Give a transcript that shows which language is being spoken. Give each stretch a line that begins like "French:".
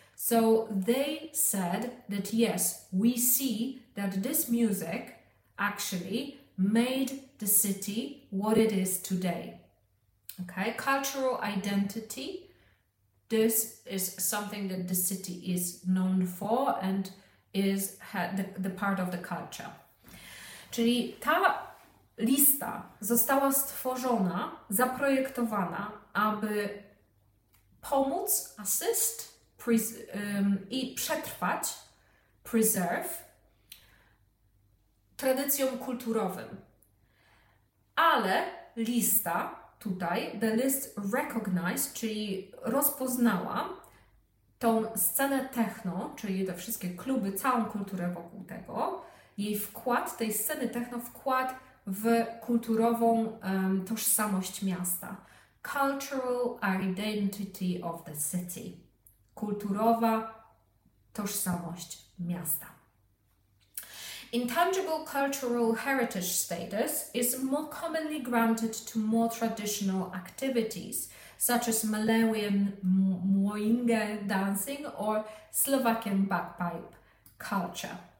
English: So they said that yes, we see that this music actually made the city what it is today. Okay, cultural identity. This is something that the city is known for and is the part of the culture.
Polish: Czyli ta lista została stworzona, zaprojektowana, aby pomóc, assist i przetrwać, preserve, tradycjom kulturowym. Ale lista tutaj,
English: the list recognized,
Polish: czyli rozpoznała tą scenę techno, czyli te wszystkie kluby, całą kulturę wokół tego, jej wkład, tej sceny techno, wkład w kulturową tożsamość miasta.
English: Cultural identity of the city.
Polish: Kulturowa tożsamość miasta.
English: Intangible cultural heritage status is more commonly granted to more traditional activities, such as Malawian mwinge dancing or Slovakian bagpipe culture.